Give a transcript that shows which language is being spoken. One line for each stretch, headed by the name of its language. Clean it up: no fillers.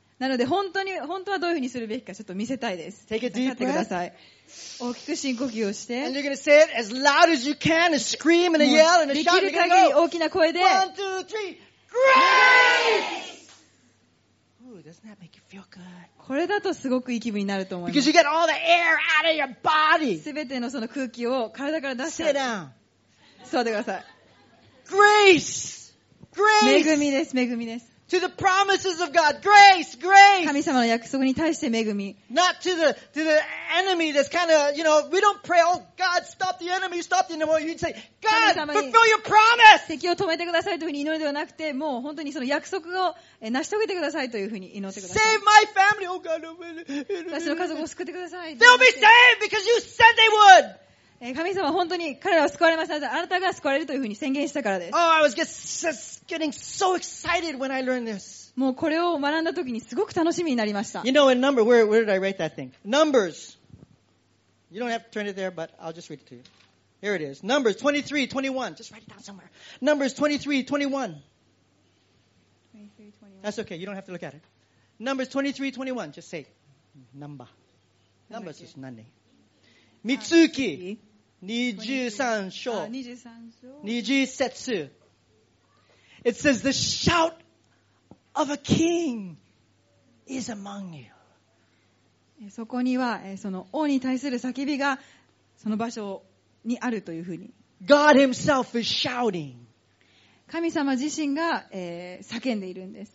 Japanese: なので本当はどういうふうにするべきかちょっと見せたいです。
English: Take a deep breath.
Japanese: 立ってください。大きく深呼吸をして。
English: And you're gonna say it as loud as you can, a scream and a yell and a shout.
Japanese: できる限り大きな声で。
English: One, two, three. Grace! Doesn't that make you feel good?
Japanese: これだとすごくいい気分になると思います。
English: Because you get all the air out of your body.
Japanese: すべてのその空気を体から出して
English: 。 Sit down.
Japanese: 座ってください。
English: Grace. Grace.
Japanese: 恵みです。恵みです。
English: To the promises of God. Grace, grace.
Japanese: 神様の約束に対して恵み。
English: Not to the, to the enemy that's kind of, you know, we don't pray, oh God, stop the enemy, stop the enemy. You'd say, God, fulfill your promise!
Japanese: 敵を止めてくださいというふうに祈るではなくて、もう本当にその約束を成し遂げてくださいというふうに祈ってください。
English: Save my family, oh God, oh God.
Japanese: 私の家族を救ってください。
English: They'll be saved because you said they would!
Japanese: 神様本当に彼らは救われました。あなたが救われるというふうに宣言したからです。
English: Oh, I was getting so excited when I learned this.
Japanese: もうこれを学んだ時にすごく楽しみになりました。
English: You know, in number, where did I write that thing? Numbers. You don't have to turn it there, but I'll just read it to you. Here it is. Numbers 23, 21. Just write it down somewhere. Numbers 23, 21. That's okay. You don't have to look at it. Numbers 23, 21. Just say number. Numbers is nothing.
Japanese: みつき23章20節
English: It says the shout of a king is among you.
Japanese: そこにはその王に対する叫びがその場所にあるというふうに。
English: God himself is shouting.
Japanese: 神様自身が叫んでいるんです。